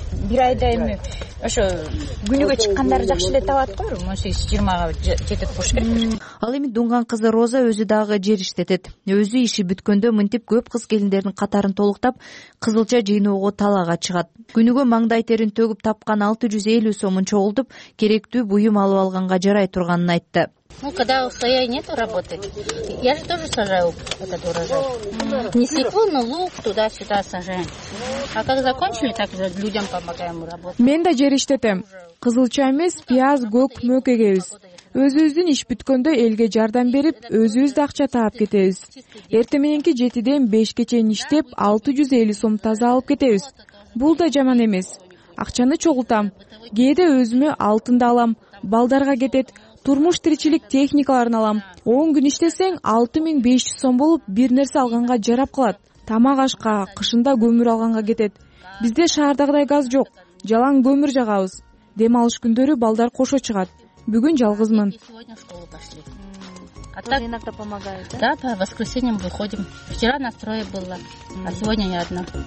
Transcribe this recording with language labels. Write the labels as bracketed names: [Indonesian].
[Kyrgyz] Бир айда эми ошо күнүгө чыккандары жакшы эле табат го, 18-20 жетет болуш керек. Ал эми дунган кызы Роза өзү дагы жер иштетет. Өзү иши бүткөндө мынтип көп кыз келиндердин катарын толуктап кызылча жыйноого талаага чыгат. Күнүгө маңдай терин төгүп тапкан 650 сомун чогултуп керектүү буюм алып алганга жарай турганын айтты. [Russian] Ну, когда у своей нет работы, я же тоже сажаю этот урожай. Не секу, но лук туда-сюда сажаем. А как закончили, так же людям помогаем работать. [Kyrgyz] Мен да жер иштетем. Кызылча эмес, пияз, көк, мөк эгебиз. Өзүбүздүн иш бүткөндө элге жардам берип, өзүбүз да акча таап кетебиз. Эртең мененки 7:00-5:00 чейин иштеп, 650 сом таза алып кетебиз. Бул да жаман эмес. Акчаны чогултам. Кээде өзүмө алтынды алам. Балдарга кетет. Турмуш тиричилик техникаларын алам. 10 күн иштесең 6500 сом болуп бир нерсе алганга жарап калат. Тамак ашка, кышында көмүр алганга кетет. Бизде шаардагыдай газ жок. Жалаң көмүр жагабыз. Дем алыш күндөрү балдар кошо чыгат. Бүгүн жалгызмын. [Russian] А так иногда помогают, да? Да, по воскресеньям выходим. Вчера на строе было, а сегодня я одна.